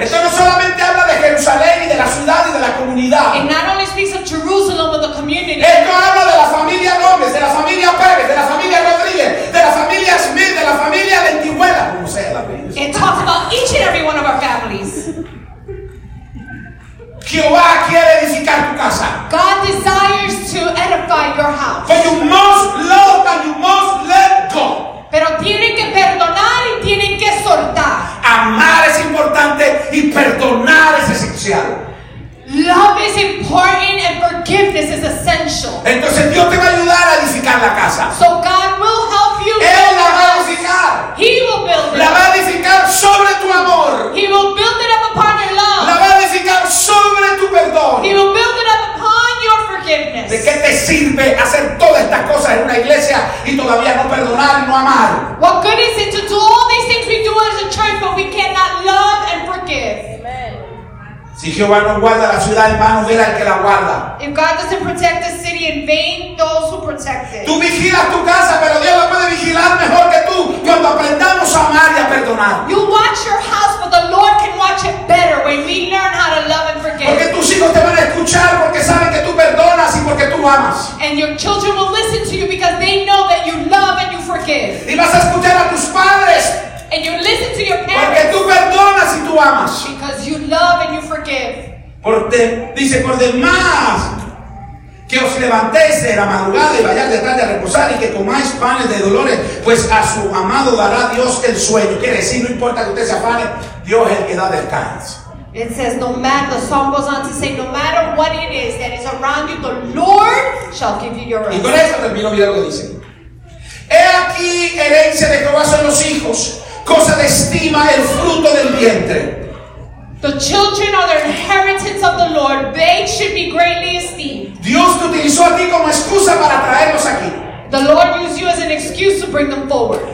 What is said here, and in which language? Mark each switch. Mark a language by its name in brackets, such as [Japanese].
[Spanish] Esto no solamente habla de Jerusalén y de la ciudad y de la comunidad. [English] It not only speaks of Jerusalem but the community. [Spanish] Esto habla de la familia Gómez, de la familia Pérez, de la familia Rodríguez, de la familia Smith, de la familia Lentihuela, como sea la familia. [English] It talks about each and every one of our families. [Spanish] Jehová quiere edificar tu casa. [English] God desires to edify your house. But you must love and you must let go. [Spanish] Pero tienen que perdonar y tienen que soltar. Amar es importante y perdonar es esencial. [English] Love is important and forgiveness is essential. [Spanish] Entonces Dios te va a ayudar a edificar la casa. [English] So God will help you. [Spanish] Él la va a edificar. [English] He will build it. [Spanish] La va a edificar sobre tu amor. [English] He will build it up upon your love. [Spanish] La va a edificar sobre tu perdón. [English] He will build it up upon your forgiveness. [Spanish] ¿De qué te sirve hacer todas estas cosas en una iglesia y todavía no perdonar y no amar? [English] What good is it to do all these things we do as a church, but we cannot love and forgive? [Spanish] Si Jehová no guarda la ciudad, en vano vela el que la guarda. [English] If God doesn't protect the city, in vain those who protect it. [Spanish] Tú vigilas tu casa, pero Dios la puede vigilar mejor que tú cuando aprendamos a amar y a perdonar. [English] You watch your house, but the Lord can watch it better when we learn how to love and forgive. [Spanish] Porque tus hijos te van a escuchar porque saben que tú perdonas y porque tú amas. [English] And your children will listen to you because they know that you love and you forgive. [Spanish] Y vas a escuchar a tus padres. [English] And you listen to your parents. [Spanish] Porque tú perdonas y tú amas. [English] Because you love and you forgive. [Spanish] Por de, dice, por demás, Que os levantéis de la madrugada y vayáis de tarde a reposar y que comáis panes de dolores, pues a su amado dará Dios el sueño. Quiere decir, no importa que usted se afane, Dios es el que da descanso. [English] It says, no matter, the song goes on to say, no matter what it is that is around you, the Lord shall give you your rest. [Spanish] Y con eso termino, mira lo que dice. He aquí herencia de Jehová son los hijos, cosa de estima el fruto del vientre. [English] The children are the inheritance of the Lord. They should be greatly esteemed. [Spanish] Dios te utilizó a ti como excusa para traerlos aquí. [English] The Lord used you as an excuse to bring them forward.